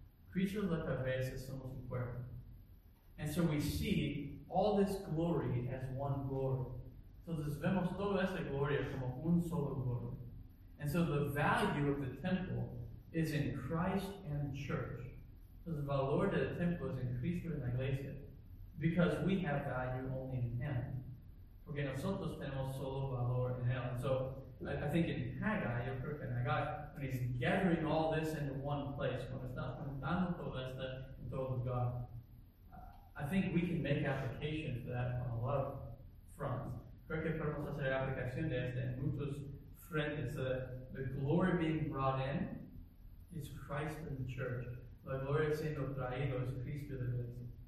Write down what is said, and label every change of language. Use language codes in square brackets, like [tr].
[es] Cristo es la cabeza, somos el cuerpo. [en] And so we see all this glory as one glory. [es] Entonces vemos toda esta gloria como un solo glory. [en] And so the value of the temple is in Christ and the church. [es] Entonces el valor de la temple es en Cristo y la iglesia. [en] Because we have value only in Him. [es] Porque nosotros tenemos solo valor en Él. [en] And so I think in Haggai, [es] yo creo que en Haggai, [en] when he's gathering all this into one place, [es] cuando está juntando todo esto en todo lugar, [en] I think we can make application for that on a lot of fronts. [es] Creo que podemos hacer aplicación de esto en muchos frentes. [en] So the glory being brought in is Christ in the church. [es] La gloria siendo traído es Cristo de la iglesia.